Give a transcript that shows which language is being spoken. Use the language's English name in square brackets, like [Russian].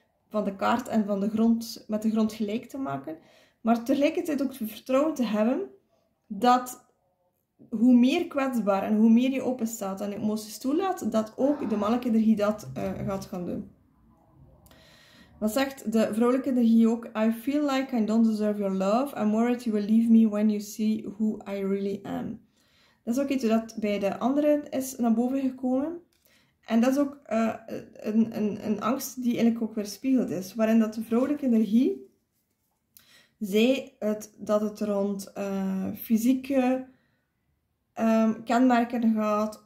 [Dutch] van de kaart en van de grond, met de grond gelijk te maken, maar tegelijkertijd ook het vertrouwen te hebben dat hoe meer kwetsbaar en hoe meer je openstaat en emoties toelaat, dat ook de mannelijke energie dat gaat gaan doen. Wat zegt de vrouwelijke energie ook? [English] I feel like I don't deserve your love. I'm worried you will leave me when you see who I really am. [Dutch] Dat is ook iets dat bij de anderen is naar boven gekomen. En dat is ook een angst die eigenlijk ook weer spiegeld is. Waarin dat de vrouwelijke energie zei dat het rond fysieke kenmerken gaat.